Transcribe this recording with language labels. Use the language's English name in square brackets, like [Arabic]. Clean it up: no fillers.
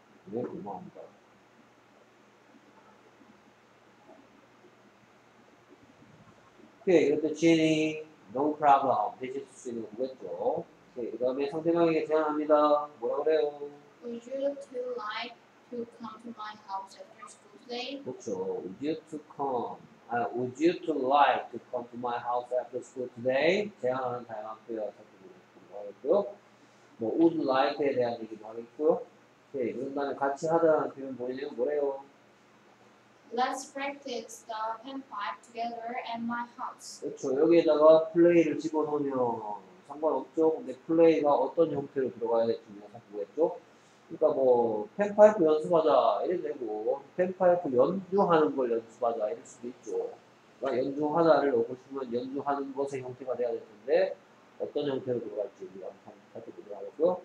[Korean] 왜 고마운가? 오케이, 이것도 지니 [English] no problem [Korean] 되실 수 있는 거겠죠. 오케이, 그 다음에 상대방에게 제안합니다. 뭐라 그래요? [English] Would you like to come to my house after school today? [Korean] 그렇죠. [English] Would you to come? Would you to like to come to my house after school today? [Korean] 제안하는 다양한 표현을 찾고 있고요. 뭐 [English] would like [Korean] 에 대한 얘기도 하겠고요. 오케이, 그 다음에 같이 하자는 표현 보이네요. 뭐래요? [English] Let's practice the panpipe together at my house. [Korean] 그렇죠. 여기에다가 play를 집어넣으면 상관없죠. 근데 play가 어떤 형태로 들어가야 될지 모르겠죠. 그러니까 뭐 panpipe 연습하자 이래 되고 panpipe 연주하는 걸 연습하자 이럴 수도 있죠. 그러니까 연주하자를 놓고 싶으면 연주하는 것의 형태가 돼야 될 텐데 어떤 형태로 들어갈지 우리가 한번 살펴보도록 하겠고요.